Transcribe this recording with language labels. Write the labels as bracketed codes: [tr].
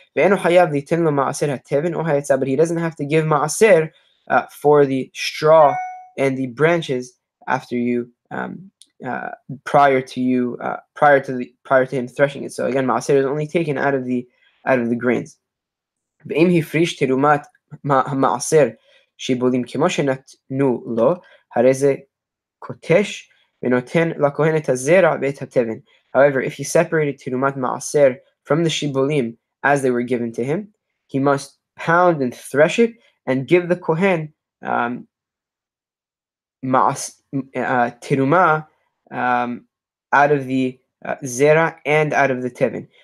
[he] Ve'enu hayav velitin lo maaser ha'tevin or ha'etzah, [en] but he doesn't have to give maaser for the straw and the branches after you prior to him threshing it. So again, maaser is only taken out of the grains. [he] ואם הפריש תרומת המעשר שיבולים כמו שנתנו לו, הרי זה קוטש ונותן לכהן את הזרע ואת התבן. [en] However, if he separated תרומת מעשר from the שיבולים as they were given to him, he must pound and thresh it and give the Kohen out of the זרע and out of the תבן.